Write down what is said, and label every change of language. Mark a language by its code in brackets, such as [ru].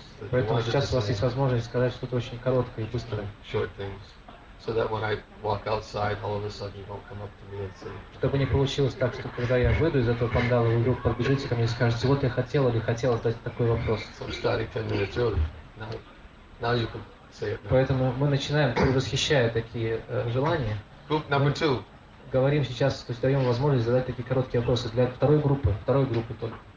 [ru] Поэтому сейчас у вас есть возможность сказать что-то очень короткое и быстрое. [en] So that when I walk outside, all of a sudden you won't come up to me and say. [ru] Чтобы не получилось так, что когда я выйду из этого пандала, вы вдруг подбежите ко мне и скажете, вот я хотел или хотела задать такой вопрос. [en] So starting 10 minutes early. Now you can say it. [ru] Поэтому мы начинаем, предвосхищая такие желания. [en] Group number two. [ru] Говорим сейчас, то есть даем возможность задать такие короткие вопросы для второй группы только.